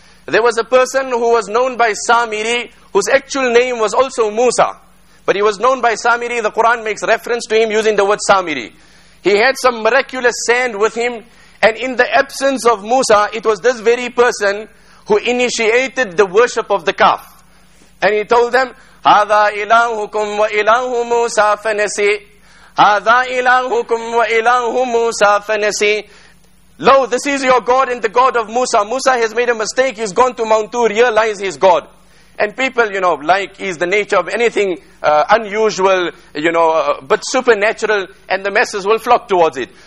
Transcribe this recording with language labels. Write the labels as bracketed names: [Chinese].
[English] There was a person who was known by Samiri, whose actual name was also Musa. But he was known by Samiri. The Quran makes reference to him using the word Samiri. He had some miraculous sand with him. And in the absence of Musa, it was this very person who initiated the worship of the calf. And he told them, [Arabic] هَذَا إِلَاهُكُمْ وَإِلَاهُ مُوسَى فَنَسِي. هَذَا إِلَاهُكُمْ وَإِلَاهُ مُوسَى فَنَسِي. [English] Lo, this is your God and the God of Musa. Musa has made a mistake. He's gone to Mount Tur. Realize his God. And people, you know, like is the nature of anything unusual, you know, but supernatural, and the masses will flock towards it.